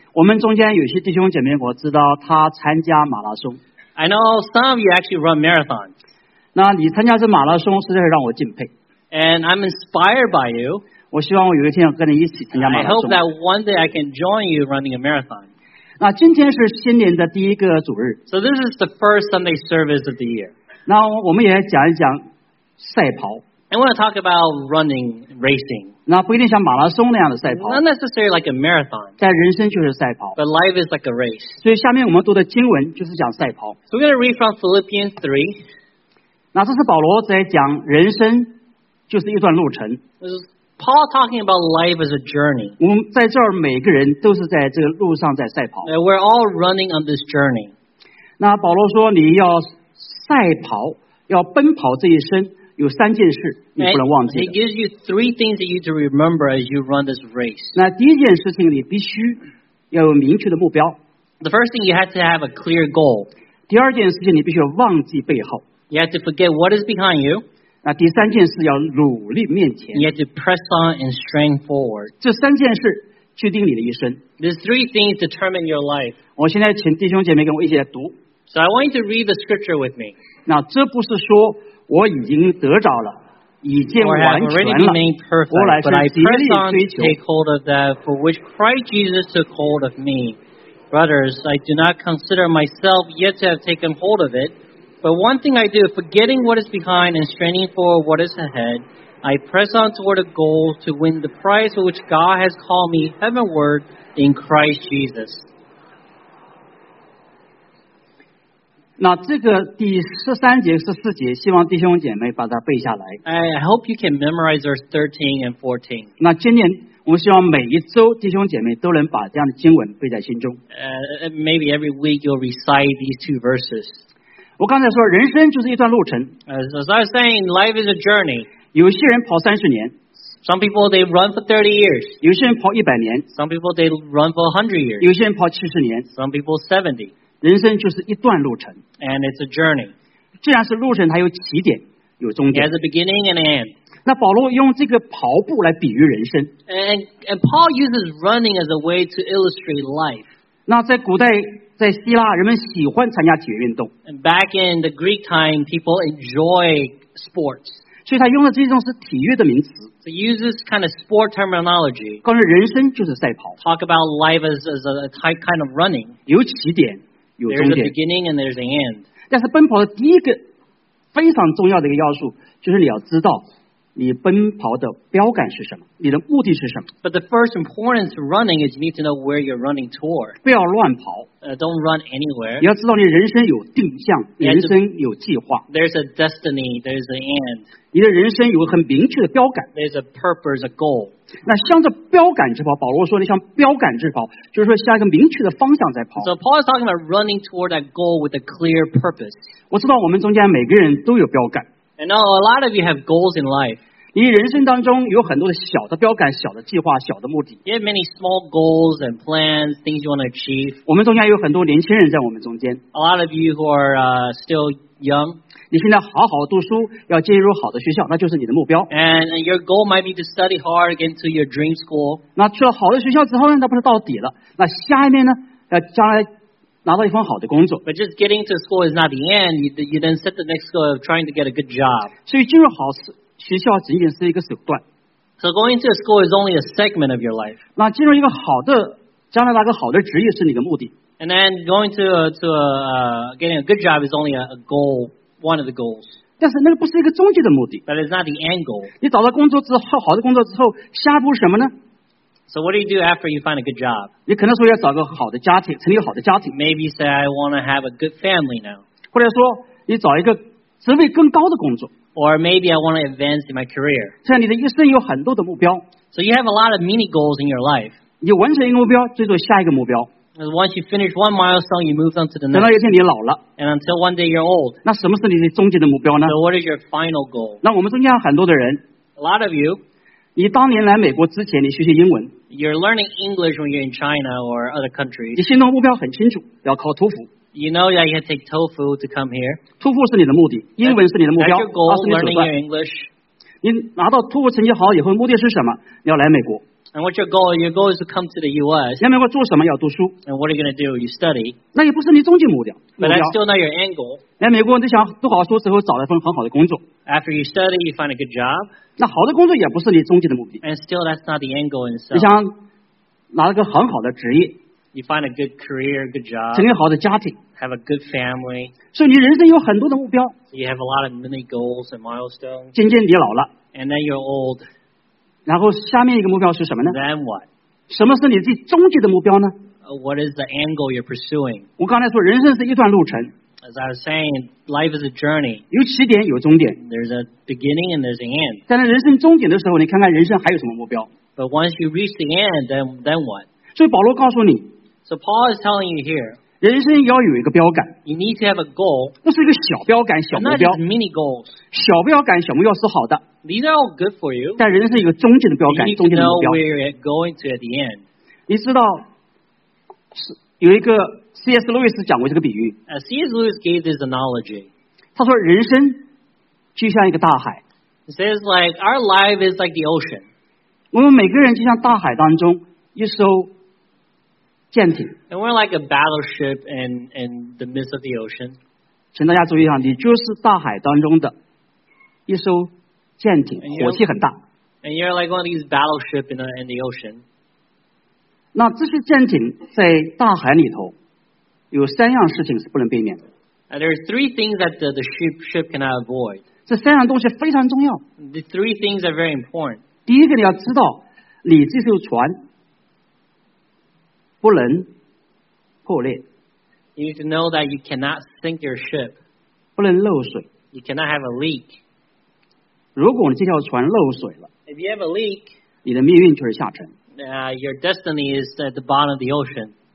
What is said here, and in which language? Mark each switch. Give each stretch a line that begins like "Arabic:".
Chinese: 我们中间有些弟兄姐妹，我知道他参加马拉松。
English: I know some of you actually run marathons.
Chinese: 那你参加这马拉松，实在是让我敬佩。
English: And I'm inspired by you.
Chinese: 我希望我有一天跟你一起参加马拉松。
English: I hope that one day I can join you running a marathon.
Chinese: 那今天是新年的第一个主日。
English: So this is the first Sunday service of the year.
Chinese: 那我们也讲一讲赛跑。
English: I want to talk about running, racing.
Chinese: 那不一定像马拉松那样的赛跑。
English: Not necessarily like a marathon.
Chinese: 但人生就是赛跑。
English: But life is like a race.
Chinese: 所以下面我们读的经文就是讲赛跑。
English: So we're going to read from Philippians 3.
Chinese: 那这是保罗在讲人生。就是一段路程。
English: Paul talking about life as a journey.
Chinese: 我们在这儿每个人都是在这个路上在赛跑。
English: We're all running on this journey.
Chinese: 那保罗说你要赛跑，要奔跑这一生，有三件事你不能忘记。
English: He gives you three things that you need to remember as you run this race.
Chinese: 那第一件事情你必须要有明确的目标。
English: The first thing you have to have a clear goal.
Chinese: 第二件事情你必须要忘记背后。
English: You have to forget what is behind you.
Chinese: 那第三件事要努力面前。
English: You have to press on and strain forward.
Chinese: 这三件事决定你的一生。
English: These three things determine your life.
Chinese: 我现在请弟兄姐妹跟我一起来读。
English: So I want you to read the scripture with me.
Chinese: 那这不是说我已经得着了，已经完全了。
English: Or have already been made perfect, but I press on to take hold of that for which Christ Jesus took hold of me. Brothers, I do not consider myself yet to have taken hold of it. But one thing I do, forgetting what is behind and straining for what is ahead, I press on toward a goal to win the prize for which God has called me heavenward in Christ Jesus.
Chinese: 那这个第13节、14节，希望弟兄姐妹把它背下来。
English: I hope you can memorize verse 13 and 14.
Chinese: 那今年我希望每一周弟兄姐妹都能把这样的经文背在心中。
English: Maybe every week you'll recite these two verses.
Chinese: 我刚才说人生就是一段路程。
English: As I was saying, life is a journey.
Chinese: 有些人跑30年。
English: Some people, they run for 30 years.
Chinese: 有些人跑100年。
English: Some people, they run for 100 years.
Chinese: 有些人跑70年。
English: Some people, 70.
Chinese: 人生就是一段路程。
English: And it's a journey.
Chinese: 既然是路程，它有起点，有终点。
English: It has a beginning and an end.
Chinese: 那保罗用这个跑步来比喻人生。
English: And Paul uses running as a way to illustrate life.
Chinese: 那在古代在希腊，人们喜欢参加体育运动。
English: And back in the Greek time, people enjoy sports.
Chinese: 所以他用的这种是体育的名词。
English: So uses kind of sport terminology.
Chinese: 关于人生就是赛跑。
English: Talk about life as a type kind of running.
Chinese: 有起点，有终点。
English: There's a beginning and there's an end.
Chinese: 但是奔跑的第一个非常重要的一个要素，就是你要知道你奔跑的标杆是什么？你的目的是什么？
English: But the first importance running is you need to know where you're running toward.
Chinese: 不要乱跑。
English: Don't run anywhere.
Chinese: 你要知道你人生有定向，人生有计划。
English: There's a destiny, there's an end.
Chinese: 你的人生有个很明确的标杆。
English: There's a purpose, a goal.
Chinese: 那向着标杆之跑，保罗说你向标杆之跑，就是说向一个明确的方向在跑。
English: So Paul is talking about running toward that goal with a clear purpose.
Chinese: 我知道我们中间每个人都有标杆。
English: And now a lot of you have goals in life.
Chinese: 你人生当中有很多的小的标杆、小的计划、小的目的。
English: You have many small goals and plans, things you want to achieve.
Chinese: 我们中间有很多年轻人在我们中间。
English: A lot of you who are still young.
Chinese: 你现在好好读书，要进入好的学校，那就是你的目标。
English: And your goal might be to study hard to get into your dream school.
Chinese: 那去了好的学校之后呢，那不是到底了？那下面呢？将来。拿到一份好的工作。
English: But just getting to school is not the end. You then set the next goal of trying to get a good job.
Chinese: 所以进入好学校仅仅是一个手段。
English: So going to school is only a segment of your life.
Chinese: 那进入一个好的，将来拿个好的职业是你的目的。
English: And then going getting a good job is only a goal, one of the goals.
Chinese: 但是那个不是一个终极的目的。
English: But it's not the end goal.
Chinese: 你找到工作之后，好的工作之后，下一步是什么呢？
English: So what do you do after you find a good job?
Chinese: 你可能说要找个好的家庭，成立好的家庭。
English: Maybe you say I want to have a good family now.
Chinese: 或者说你找一个职位更高的工作。
English: Or maybe I want to advance in my career.
Chinese: 这样你的一生有很多的目标。
English: So you have a lot of mini goals in your life.
Chinese: 你完成一个目标，追逐下一个目标。
English: And once you finish one milestone, you move on to the next.
Chinese: 等到有一天你老了。
English: And until one day you're old.
Chinese: 那什么是你的终极的目标呢？
English: So what is your final goal?
Chinese: 那我们中间有很多的人。
English: A lot of you.
Chinese: 你当年来美国之前，你学习英文。
English: You're learning English when you're in China or other countries.
Chinese: 你心中目标很清楚，要考托福。
English: You know that you have to take TOEFL to come here.
Chinese: 托福是你的目的，英文是你的目标，它是你的手段。
English: Learning your English.
Chinese: 你拿到托福成绩好以后，目的是什么？你要来美国。
English: And what's your goal? Your goal is to come to the U.S.
Chinese: 来美国做什么？要读书。
English: And what are you going to do? You study.
Chinese: 那也不是你终极目标。
English: But that's still not your end goal.
Chinese: 来美国，你想读好书之后找一份很好的工作。
English: After you study, you find a good job.
Chinese: 那好的工作也不是你终极的目的。
English: And still, that's not the end goal in itself.
Chinese: 你想拿一个很好的职业。
English: You find a good career, a good job.
Chinese: 成立好的家庭。
English: Have a good family.
Chinese: 所以你人生有很多的目标。
English: You have a lot of mini goals and milestones.
Chinese: 渐渐你老了。
English: And then you're old.
Chinese: 然后下面一个目标是什么呢？
English: Then what?
Chinese: 什么是你最终极的目标呢？
English: What is the end goal you're pursuing?
Chinese: 我刚才说人生是一段路程。
English: As I was saying, life is a journey.
Chinese: 有起点，有终点。
English: There's a beginning and there's an end.
Chinese: 但是人生终点的时候，你看看人生还有什么目标。
English: But once you reach the end, then what?
Chinese: 所以保罗告诉你。
English: So Paul is telling you here.
Chinese: 人生要有一个标杆。
English: You need to have a goal.
Chinese: 不是一个小标杆、小目标。
English: And not just mini goals.
Chinese: 小标杆、小目标是好的。
English: These are all good for you.
Chinese: 但人生一个终极的标杆、终极的目标。
English: You need to know where you're going to at the end.
Chinese: 你知道，有一个C.S. Lewis 讲过这个比喻。
English: C.S. Lewis gave this analogy.
Chinese: 他说人生就像一个大海。
English: He says like our life is like the ocean.
Chinese: 我们每个人就像大海当中一艘舰艇。
English: And we're like a battleship in the midst of the ocean.
Chinese: 请大家注意一下，你就是大海当中的一艘舰艇，火气很大。
English: And you're like one of these battleships in the ocean.
Chinese: 那这些舰艇在大海里头。有三样事情是不能避免的。
English: And there are three things that the ship cannot avoid.
Chinese: 这三样东西非常重要。
English: The three things are very important.
Chinese: 第一个你要知道，你这艘船不能破裂。
English: You need to know that you cannot sink your ship.
Chinese: 不能漏水。
English: You cannot have a leak.
Chinese: 如果你这条船漏水了
English: ，If you have a leak,
Chinese: 你的命运就是下沉。
English: Your destiny is at the bottom of the ocean.